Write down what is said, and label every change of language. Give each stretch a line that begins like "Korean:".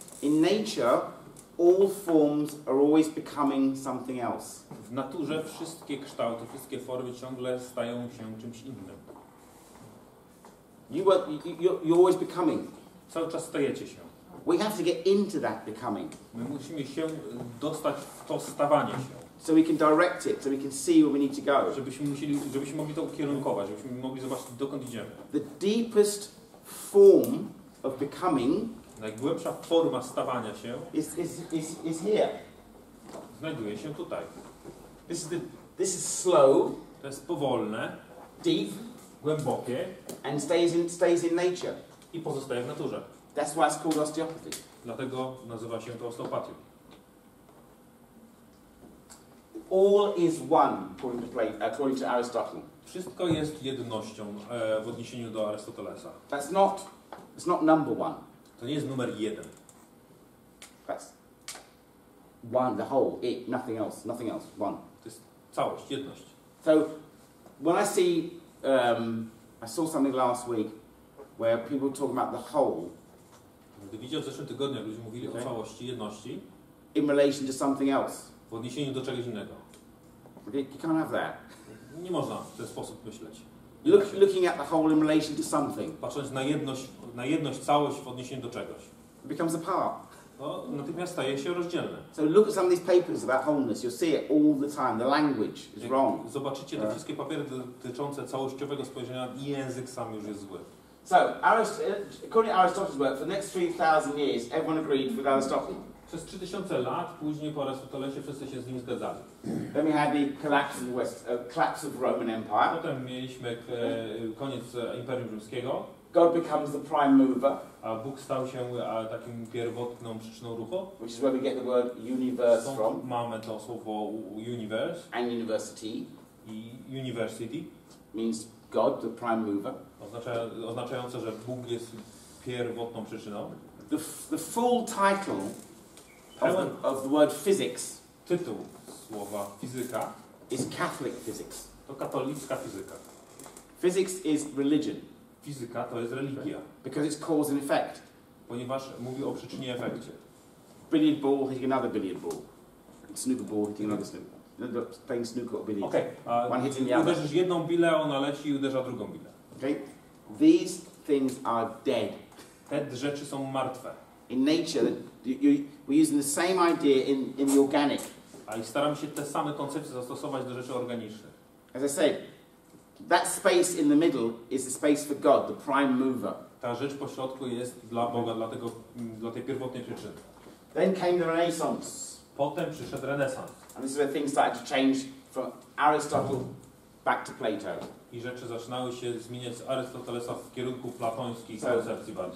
English: In nature, all forms are always becoming something else.
Polish: W naturze wszystkie kształty, wszystkie formy ciągle stają się czymś innym.
English: You're always becoming.
Polish: Cały czas stajecie się.
English: We have to get into that becoming.
Polish: My musimy się dostać w to stawanie się.
English: So we can direct it, so we can see where we need to go.
Polish: Żebyśmy mogli to ukierunkować, żebyśmy mogli zobaczyć, dokąd idziemy.
English: The deepest form of becoming.
Polish: Najgłębsza forma stawania się.
English: Is here.
Polish: Znajduje się tutaj.
English: This is slow.
Polish: To jest powolne.
English: Deep.
Polish: Głębokie.
English: And stays in nature.
Polish: I pozostaje w naturze.
English: That's why it's called osteopathy.
Polish: Dlatego nazywa się to osteopatią.
English: All is one, according to Aristotle.
Polish: Wszystko jest jednością w odniesieniu do Arystotelesa.
English: It's not number one.
Polish: To nie jest numer jeden.
English: That's one, the whole, it, nothing else, one.
Polish: To jest całość, jedność.
English: So, when I see, I saw something last week where people talk about the whole.
Polish: Gdy widział w zeszłym tygodniu, ludzie mówili okay. O całości, jedności.
English: In relation to something else.
Polish: W odniesieniu do czegoś innego.
English: You can't have that.
Polish: Nie można w ten sposób myśleć.
English: Looking at the whole in relation to something.
Polish: Patrząc na jedność, całość w odniesieniu do czegoś.
English: It becomes apart.
Polish: No, natychmiast staje się rozdzielne.
English: So look at some of these papers about wholeness. You'll see it all the time. The language is wrong.
Polish: Zobaczycie te wszystkie papiery dotyczące całościowego spojrzenia i język sam już jest zły.
English: So, according to Aristotle's work, for the next 3,000 years, everyone agreed with Aristotle.
Polish: Przez 3000 lat, później po Arystotelesie, wszyscy się z nim zgadzali.
English: Then we had the collapse of the Roman Empire.
Polish: Potem mieliśmy koniec Imperium Rzymskiego.
English: God becomes the prime mover.
Polish: A Bóg stał się takim pierwotną przyczyną ruchu.
English: Which is where we get the word universe from.
Polish: Stąd mamy to słowo universe.
English: And university.
Polish: I university.
English: Means God, the prime mover.
Polish: Oznaczające, że Bóg jest pierwotną przyczyną.
English: The full title. Of the word physics.
Polish: Tytuł słowa fizyka.
English: Is Catholic physics.
Polish: To katolicka fizyka.
English: Physics is religion.
Polish: Fizyka to jest religia.
English: Because it's cause and effect.
Polish: Ponieważ mówi o przyczynie i efekcie.
English: Billiard ball hitting another billiard ball. Snooker ball hitting another snooker ball. end up playing snooker or billiards. Okay. One hitting the other.
Polish: Uderzysz jedną bilę, ona leci i uderza drugą bilę.
English: Okay. These things are dead.
Polish: Te rzeczy są martwe.
English: In nature, we're using the same idea in the organic.
Polish: A i staram się te same koncepcje zastosować do rzeczy organicznych.
English: As I said, that space in the middle is the space for God, the prime mover.
Polish: Ta rzecz po środku jest dla Boga, dlatego, dla tej pierwotnej przyczyny.
English: Then came the Renaissance.
Polish: Potem przyszedł renesans.
English: And this is where things started to change from Aristotle back to Plato.
Polish: I rzeczy zaczynały się zmieniać z Arystotelesa w kierunku platońskiej koncepcji bardziej.